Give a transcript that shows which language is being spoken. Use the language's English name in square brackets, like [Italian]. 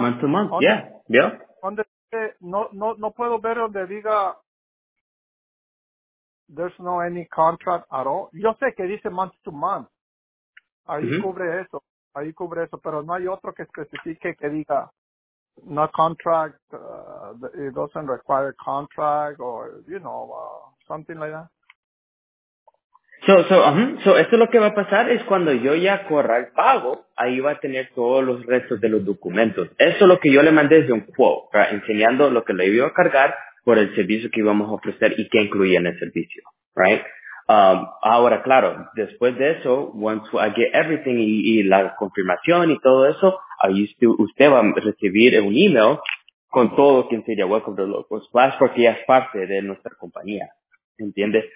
[English] Month to month, [Spanish] ¿dónde, [English] yeah, [Spanish] ¿vio? ¿Dónde, no puedo ver donde diga [English] there's no any contract at all? [Spanish] Yo sé que dice [English] month to month. [Spanish] Ahí cubre eso, pero no hay otro que especifique que diga [English] not contract, it doesn't require a contract or, you know, something like that. So [Spanish] esto lo que va a pasar es cuando yo ya corra el pago, ahí va a tener todos los restos de los documentos. Eso es lo que yo le mandé desde un quote, ¿verdad? Enseñando lo que le iba a cargar por el servicio que íbamos a ofrecer y qué incluía en el servicio, [English] right? [Spanish] Ahora, claro, después de eso, [English] once I get everything [Spanish] y la confirmación y todo eso, ahí usted va a recibir un email con todo quien sería Welcome to Local Splash porque ya es parte de nuestra compañía. ¿Entiendes?